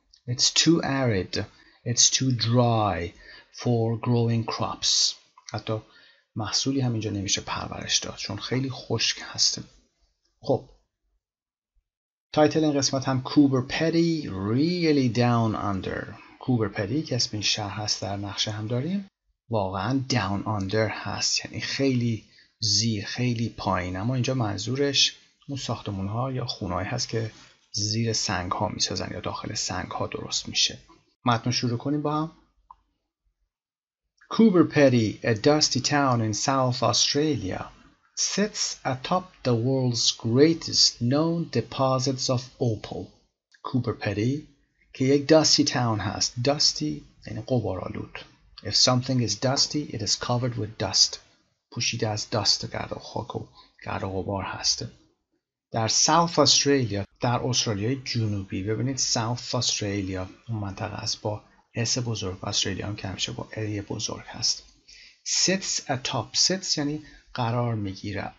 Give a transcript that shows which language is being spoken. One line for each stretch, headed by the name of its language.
English: It's too arid, it's too dry for growing crops.
Persian: حتی محصولی هم اینجا نمیشه پرورش داد چون خیلی خشک هستم. خب تایتل این قسمت هم Cooper Petty Really Down Under. Cooper Petty که اسم این شهر هست در نقشه هم داریم، واقعا Down Under هست، یعنی خیلی زیر، خیلی پایین. اما اینجا منظورش اون ساختمون ها یا خونه‌ای هست که زیر سنگ ها میسازن یا داخل سنگ ها درست میشه. متن شروع کنیم با هم.
English: Cooper Petty, a dusty town in South Australia, sits atop the world's greatest known deposits of opal.
Persian: Cooper Petty که یک dusty town هست. Dusty یعنی غبارآلود.
English: If something is dusty, it is covered with dust.
Persian: پوشیده از دست و گرد و خاک و گرد و غبار هست. در ساوث استرالیا، در استرالیای جنوبی، ببینید ساوث استرالیا اون منطقه است با اس بزرگ، استرالیا هم که همیشه با ای بزرگ هست.
English: sits atop. sits
Persian: یعنی قرار میگیره.